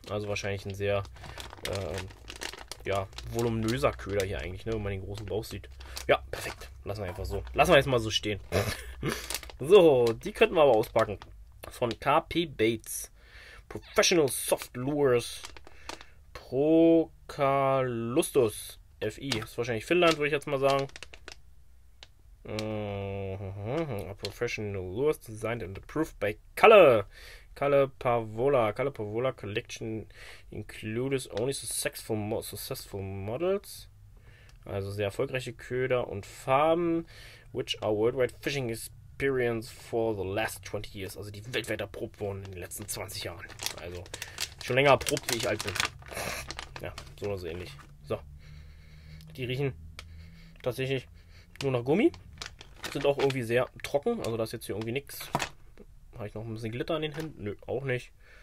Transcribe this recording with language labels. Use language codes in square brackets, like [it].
[de] Also wahrscheinlich ein sehr voluminöser Köder hier eigentlich, ne, wenn man den großen Bauch sieht. Ja, perfekt. Lassen wir einfach so. Lassen wir jetzt mal so stehen. So, die könnten wir aber auspacken. Von KP Baits. [en] Professional Soft Lures. [de] Procalustus. FI. Das ist wahrscheinlich Finnland, würde ich jetzt mal sagen. [en] A professional lures designed and approved by Kalle. Kalle Pavola. Kalle Pavola Collection includes only successful models. [de] Also sehr erfolgreiche Köder und Farben. [en] Which are worldwide fishing experience for the last 20 years. [de] Also die weltweit erprobt wurden in den letzten 20 Jahren. Also schon länger erprobt, wie ich alt bin. Ja, so oder so ähnlich. So. Die riechen tatsächlich nur nach Gummi. Sind auch irgendwie sehr trocken. Also da ist jetzt hier irgendwie nichts. Habe ich noch ein bisschen Glitter an den Händen? Nö, auch nicht.